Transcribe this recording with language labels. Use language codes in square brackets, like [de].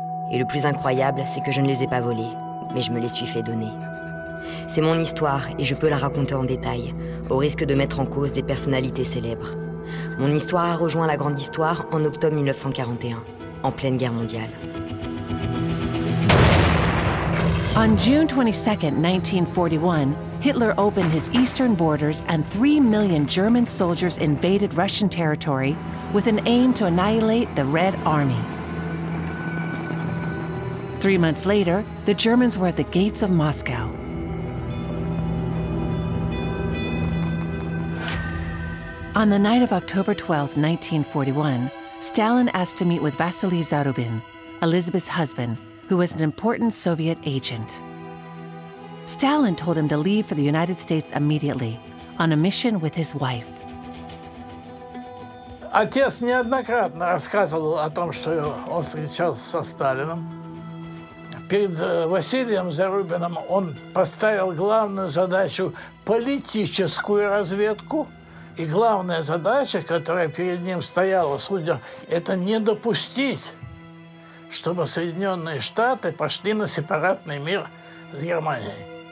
[fr] Et le plus incroyable, c'est que je ne les ai pas volés, mais je me les suis fait donner. C'est mon histoire, et je peux la raconter en détail, au risque de mettre en cause des personnalités célèbres. Mon histoire a rejoint la grande histoire en octobre 1941, en pleine guerre mondiale. [en] On June 22, 1941, Hitler opened his eastern borders and 3 million German soldiers invaded Russian territory with an aim to annihilate the Red Army. 3 months later, the Germans were at the gates of Moscow. On the night of October 12, 1941, Stalin asked to meet with Vasily Zaroubin, Elizabeth's husband, who was an important Soviet agent. Stalin told him to leave for the United States immediately, on a mission with his wife. [ru] Отец неоднократно рассказывал о том, что он встречался со Сталином. Перед Василием Зарубиным он поставил главную задачу политическую разведку. И главная задача, которая перед ним стояла, судя, это не допустить, чтобы Соединенные Штаты пошли на сепаратный мир с Германией.